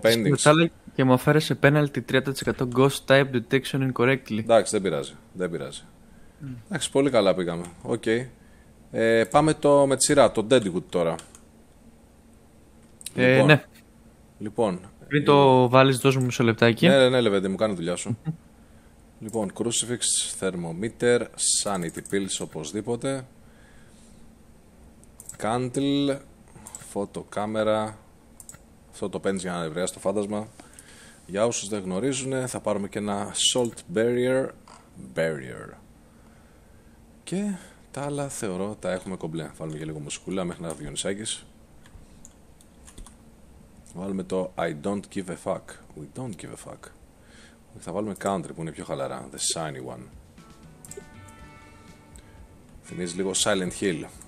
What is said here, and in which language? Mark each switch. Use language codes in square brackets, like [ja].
[el] Μέτρησε όλα και μου αφαίρεσε penalty 30% ghost type detection incorrectly. Εντάξει, δεν πειράζει, δεν πειράζει. Εντάξει, πολύ καλά πήγαμε. Οκ. Okay. Πάμε το με τη σειρά, το Deadwood τώρα. Λοιπόν, ναι. Λοιπόν. Πριν το βάλεις, δώσ' μου μισό λεπτάκι. Ναι, Λεβέντη, μου κάνει δουλειά σου. Λοιπόν, Crucifix, Thermometer, Sanity Pills οπωσδήποτε. Candle, φωτοκάμερα. Αυτό το παίρνεις για να ευρεάσεις το φάντασμα. Για όσους δεν γνωρίζουν, θα πάρουμε και ένα Salt Barrier. Barrier. Και... τα άλλα θεωρώ τα έχουμε κομπλέ. Βάλουμε για λίγο μουσικούλα μέχρι να βγει ο Νησάκης. [en] Βάλουμε το I don't give a fuck. We don't give a fuck. [el] Θα βάλουμε country που είναι πιο χαλαρά. The shiny one. Θυμίζει λίγο Silent Hill.